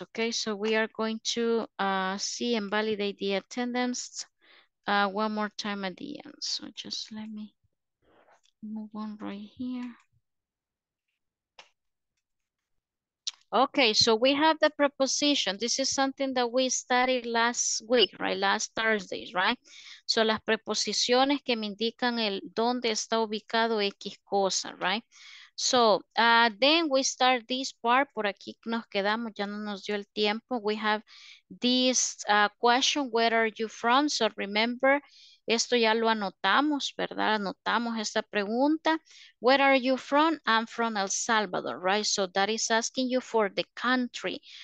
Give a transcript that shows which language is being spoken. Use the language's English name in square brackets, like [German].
[English] Okay, so we are going to see and validate the attendance one more time at the end. So just let me move on right here. Okay, so we have the preposition. This is something that we studied last week, right? Last Thursday, right? [Spanish] So las preposiciones que me indican el dónde está ubicado X cosa, [English] right? So then we start this part. [Spanish] Por aquí nos quedamos, ya no nos dio el tiempo. [English] We have this question, where are you from? So remember, [Spanish] esto ya lo anotamos, ¿verdad? Anotamos esta pregunta. [English] Where are you from? I'm from El Salvador, right? So that is asking you for the country.